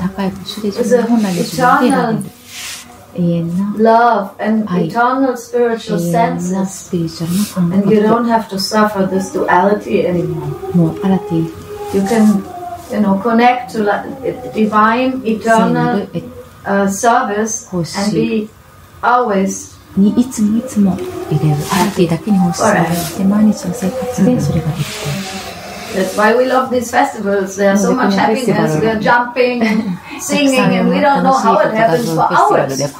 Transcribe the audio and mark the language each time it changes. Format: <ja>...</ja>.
<en>It's a eternal love and eternal spiritual senses. And you don't have to suffer this duality anymore. You can, you know, connect to divine, eternal service and be always</en> <ja>にいつもいつも入れる。アルティだけに奉仕されて、毎日の生活でそれができている。</ja> <en>That's why we love these festivals. There are so much happiness. We are jumping, singing, and we don't know how it happens for hours.</en>